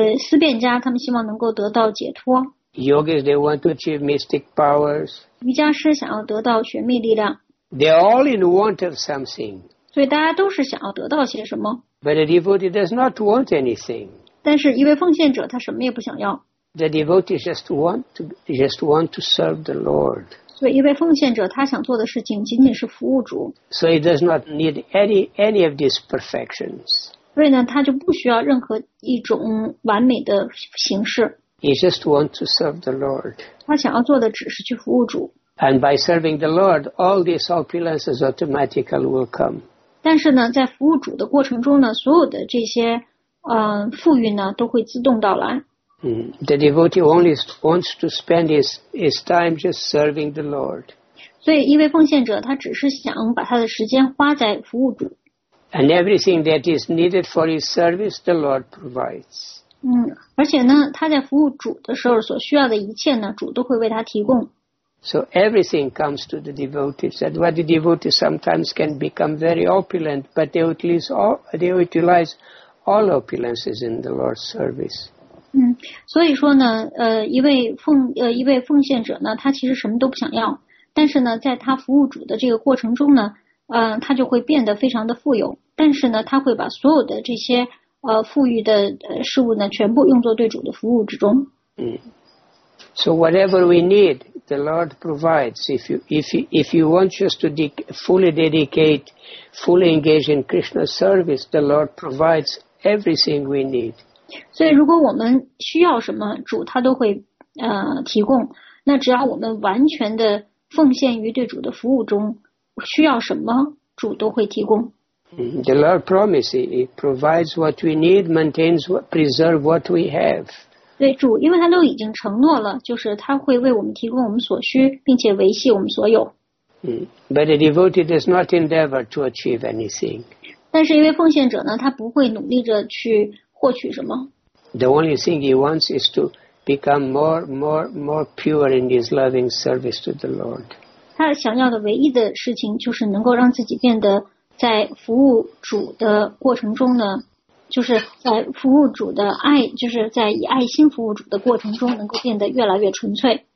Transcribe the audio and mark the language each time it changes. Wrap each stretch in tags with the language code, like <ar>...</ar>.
<zh>思辨家他们希望能够得到解脱。</zh> <en>Yogis, they want to achieve mystic powers.</en> <zh>瑜伽师想要得到玄秘力量。</zh> <en>They're all in want of something.</en> <zh>所以大家都是想要得到些什么。</zh> <en>But a devotee does not want anything.</en> <zh>但是一位奉献者他什么也不想要。</zh> <en>The devotee just want to serve the Lord.</en> <zh>所以一位奉献者他想做的事情仅仅是服务主。</zh> <en>So he does not need any of these perfections.</en> <zh>所以呢，他就不需要任何一种完美的形式。</zh> <en>He just want to serve the Lord.</en> <zh>他想要做的只是去服务主。</zh> <en>And by serving the Lord, all these opulences automatically will come.</en> <zh>但是呢，在服务主的过程中呢，所有的这些富裕呢，都会自动到来。</zh> <en>The devotee only wants to spend his time just serving the Lord.</en> <zh>所以，一位奉献者他只是想把他的时间花在服务主。</zh> <en>And everything that is needed for his service, the Lord provides.</en> <zh>而且呢，他在服务主的时候所需要的一切呢，主都会为他提供。</zh> <en>So everything comes to the devotees. That's why the devotees sometimes can become very opulent, but they utilize all opulences in the Lord's service.</en> <zh>所以说呢，一位奉献者呢，他其实什么都不想要，但是呢，在他服务主的这个过程中呢，他就会变得非常的富有，但是呢，他会把所有的这些富裕的事物呢，全部用作对主的服务之中。</zh> <en>So whatever we need, the Lord provides. If you want just to fully dedicate, fully engage in Krishna's service, the Lord provides everything we need.</en> <zh>所以如果我们需要什么，主他都会提供。那只要我们完全的奉献于对主的服务中，需要什么，主都会提供。</zh> <en>The Lord promises He provides what we need, maintains, preserve what we have.</en> <zh>对主，因为他都已经承诺了，就是他会为我们提供我们所需，并且维系我们所有。</zh> <en>But a devotee does not endeavor to achieve anything.</en> <zh>但是一位奉献者呢，他不会努力着去获取什么。</zh> <en>The only thing he wants is to become more pure in his loving service to the Lord.</en> <zh>他想要的唯一的事情就是能够让自己变得在服务主的过程中呢。就是在服务主的爱，就是在以爱心服务主的过程中，能够变得越来越纯粹。</zh>